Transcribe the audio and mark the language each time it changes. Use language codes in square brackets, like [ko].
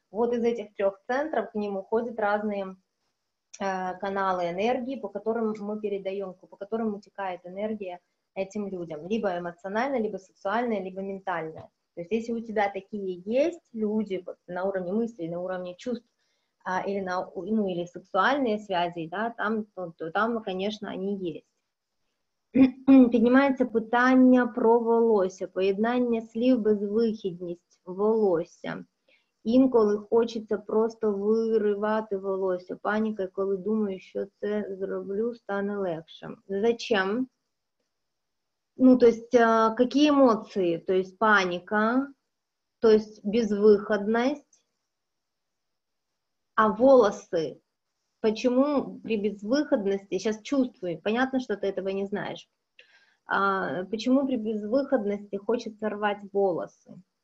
[ru] Вот из этих трех центров к ним уходят разные каналы энергии, по которым мы передаем, по которым утекает энергия этим людям, либо эмоционально, либо сексуально, либо ментально. То есть если у тебя такие есть люди на уровне мыслей, на уровне чувств, или на, ну, или сексуальные связи, да, там, то там, конечно, они есть. [uk] Піднімається питання про волосся, поєднання слів безвихідність, волосся. Інколи хочеться просто виривати волосся, паніка, коли думаю, що це зроблю, стане легше. [ru] Зачем? Ну, то есть, какие эмоции? То есть, паника, то есть, безвыходность. А волосы? Почему при безвыходности? Сейчас чувствую, понятно, что ты этого не знаешь. Почему при безвыходности хочется рвать волосы?